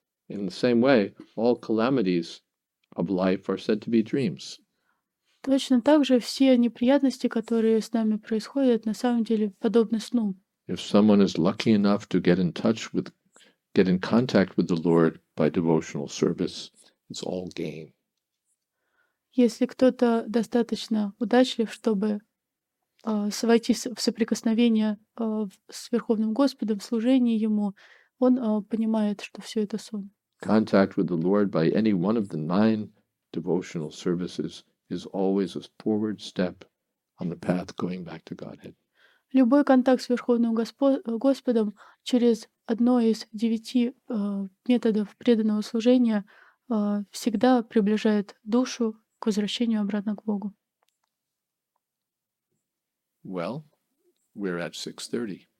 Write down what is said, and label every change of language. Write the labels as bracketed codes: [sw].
[en] In the same way, all calamities of life are said to be dreams. [ru] Точно так же все неприятности, которые с нами происходят, на самом деле подобны сну. [en] If someone is lucky enough to get in touch with get in contact with the Lord by devotional service, it's all gain. [ru] Если кто-то достаточно удачлив, чтобы войти в соприкосновение с Верховным Господом, в служении Ему, он понимает, что все это сон. [en] Contact with the Lord by any one of the 9 devotional services is always a forward step on the path going back to Godhead. [ru] Любой контакт с Верховным Господом через одно из 9 методов преданного служения всегда приближает душу к возвращению обратно к Богу. [en] Well, we're at 6:30.